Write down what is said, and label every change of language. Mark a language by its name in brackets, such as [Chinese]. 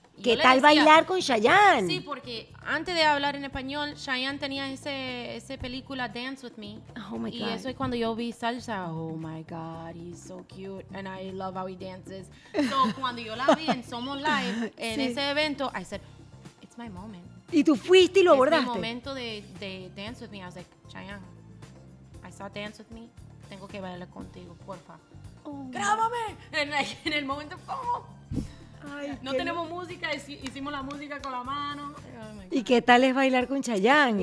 [Spanish] ¿Qué tal decía, bailar con Chayanne? Sí, porque antes de hablar en español, Chayanne tenía ese película Dance With Me. [English] Oh, my God. [Spanish] Y eso es cuando yo vi salsa. [English] Oh, my God, he's so cute. And I love how he dances. [Spanish] So, cuando yo la vi en Somos Live, en sí. ese evento, [English] I said, it's my moment. [Spanish] ¿Y tú fuiste y lo abordaste? Es mi momento de [English] Dance With Me. I was like, Chayanne, I saw Dance With Me. [Spanish] Tengo que bailar contigo, porfa. ¡Grábame! En el momento, ¿cómo? Ay, no tenemos música, hicimos la música con la mano. Oh, ¿y qué tal es bailar con Chayanne?